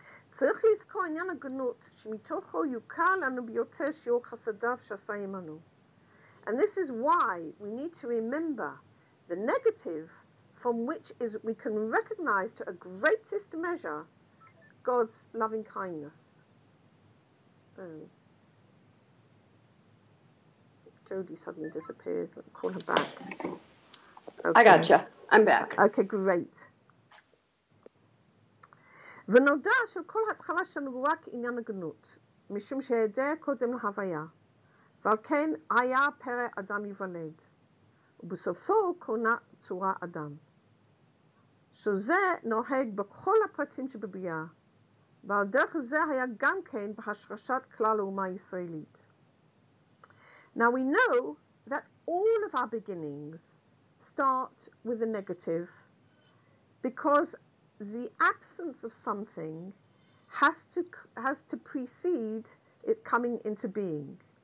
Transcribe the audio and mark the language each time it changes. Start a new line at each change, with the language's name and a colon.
Hebrew: צריך לזכור עניין הגנות שמתוכו יוכר לנו ביותר שיעור חסדיו שעשה עמנו.
English: And this is why we need to remember the negative from which is we can recognize to a greatest measure God's loving kindness. Jody suddenly disappeared. Let me call her back. Okay. I gotcha. I'm back. Okay, great.
Hebrew: ונודע שכל התחלה שלנו הוא רק עניין הגנות, משום שהידע קודם להוויה, ועל כן היה פרא אדם יוולד, ובסופו קונה צורה אדם. שזה נוהג בכל הפרטים שבביאה, ועל דרך זה היה גם כן בהשרשת כלל האומה הישראלית.
English: Now we know that all of our beginnings start with a negative, because the absence of something has to precede it coming into being.